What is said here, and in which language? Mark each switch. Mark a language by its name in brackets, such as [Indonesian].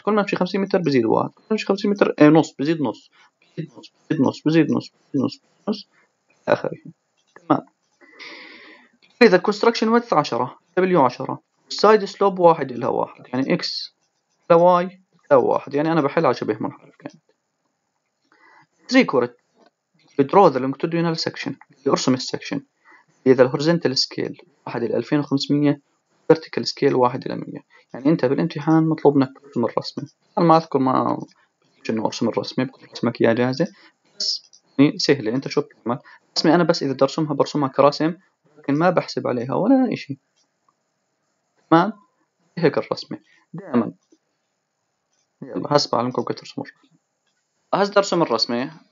[Arabic] كل ما أمشي 50 متر بزيد 1. كل ما أمشي 50 متر نص بزيد نص بزيد نص آخره تمام. إذا construction width 10 W 10 side slope 1 إلها 1 يعني X إلى Y إلى 1 يعني أنا بحلها شبه منحرف كانت. [English] Record draw the longitudinal section [Arabic] يرسم السكشن إذا [English] horizontal scale 1 إلى 2500 vertical scale 1 إلى 100. [Arabic] يعني أنت بالامتحان مطلوب منك ترسم الرسمة. أنا ما أذكر ما انه ارسم الرسمة بكل رسمك يا جاهزة بس يعني سهلة. انت شو بتعمل رسمة؟ انا بس اذا درسمها برسمها كراسم لكن ما بحسب عليها ولا اشي تمام. هيك الرسمة دائما. يلا هسبع لكم كيف ترسموا هسدرسم الرسمة.